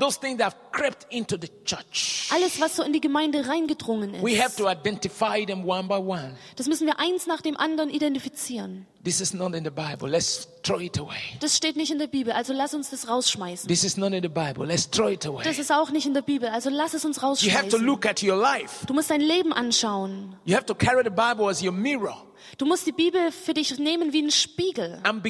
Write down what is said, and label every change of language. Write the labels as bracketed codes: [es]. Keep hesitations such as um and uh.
[en] Those things that have crept into the church. [de] Alles, was so in die Gemeinde reingedrungen ist. [en] We have to identify them one by one. [de] Das müssen wir eins nach dem anderen identifizieren. [en] This is not in the Bible. Let's throw it away. [de] Das steht nicht in der Bibel, also lass uns das rausschmeißen. [en] This is not in the Bible. Let's throw it away. Das [de] ist auch nicht in der Bibel, also lass es uns rausschmeißen. [en] You have to look at your life. [de] Du musst dein Leben anschauen. [en] You have to carry the Bible as your mirror. [de] Du musst die Bibel für dich nehmen wie einen Spiegel.